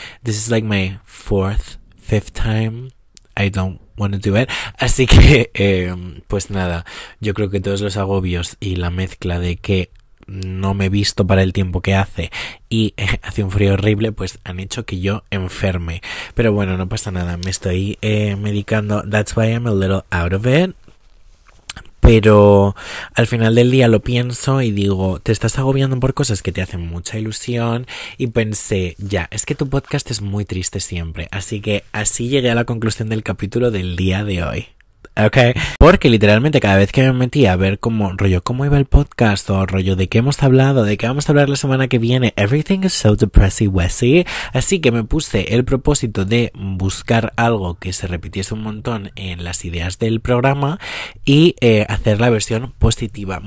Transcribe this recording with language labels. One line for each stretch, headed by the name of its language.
English: This is like my fourth, fifth time. I don't want to do it.
Spanish: Así que, pues nada, yo creo que todos los agobios y la mezcla de que no me he visto para el tiempo que hace y hace un frío horrible, pues han hecho que yo enferme. Pero bueno, no pasa nada, me estoy medicando.
English: That's why I'm a little out of it.
Spanish: Pero al final del día lo pienso y digo, te estás agobiando por cosas que te hacen mucha ilusión. Y pensé, ya, es que tu podcast es muy triste siempre. Así que así llegué a la conclusión del capítulo del día de hoy. Okay, porque literalmente cada vez que me metí a ver como rollo cómo iba el podcast o rollo de qué hemos hablado, de qué vamos a hablar la semana que viene,
English: everything is so depressy wessy,
Spanish: así que me puse el propósito de buscar algo que se repitiese un montón en las ideas del programa y hacer la versión positiva.